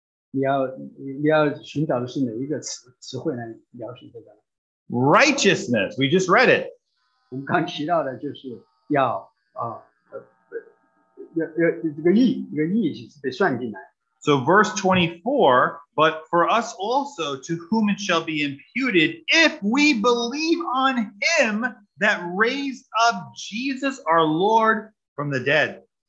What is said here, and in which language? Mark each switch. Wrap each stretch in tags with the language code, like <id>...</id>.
<zh>你要寻找的是哪一个词汇来描述这个?</zh> <en>Righteousness, we just read it.</en> <zh>我们刚提到的就是要这个义，这个义是被算进来。</zh> <en>So verse 24, but for us also, to whom it shall be imputed, if we believe on him that raised up Jesus our Lord from the dead.</en>